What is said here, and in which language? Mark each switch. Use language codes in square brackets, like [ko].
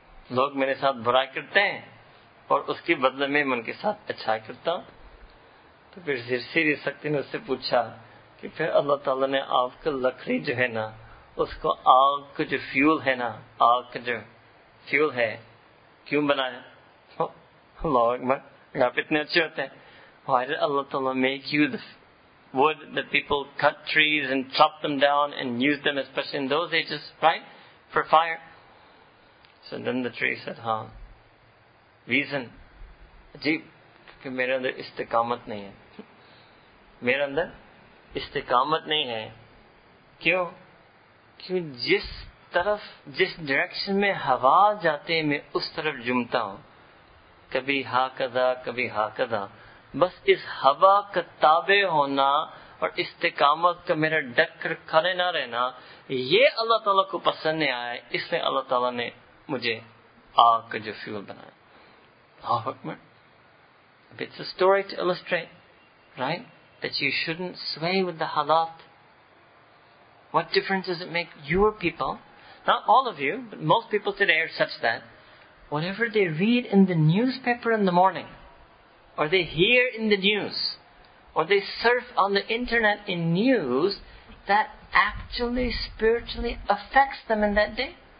[ur] لوگ میرے ساتھ برائی کرتے ہیں اور اس کے بدلے میں ان کے ساتھ اچھائی کرتا ہوں. تو پھر سری سکتی نے اس سے پوچھا کہ پھر اللہ تعالیٰ نے آپ کا لکڑی جو ہے نا, اس کو آگ کا جو فیول ہے نا, آگ کا جو فیول ہے, کیوں بنایا؟ اللہ اکبر, آپ اتنے اچھے ہوتے ہیں. [en] Why did Allah Ta'ala make you the wood that people cut trees and chop them down and use them, especially in those ages, right? For fire. So then the tree said, ہاں, reason. [ur] عجیب, کہ میرے اندر استقامت نہیں ہے. میرے اندر استقامت نہیں ہے. کیوں؟ کیوں جس طرف, جس ڈائریکشن میں ہوا جاتے ہیں میں اس طرف جھومتا ہوں. کبھی ہا کدا کبھی ہا کدا, بس اس ہوا کا تابع ہونا اور استقامت کا میرا ڈک کر کھڑے نہ رہنا, یہ اللہ تعالیٰ کو پسند نہیں آیا, اس لیے اللہ تعالیٰ نے مجھے آگ کا جو فیول بنایا. [en] It's a story to illustrate, right? That you shouldn't sway with the halat. What difference does it make your people, not all of you, but most people today are such that whatever they read in the newspaper in the morning, or they hear in the news, or they surf on the internet in news, that actually spiritually affects them in that day.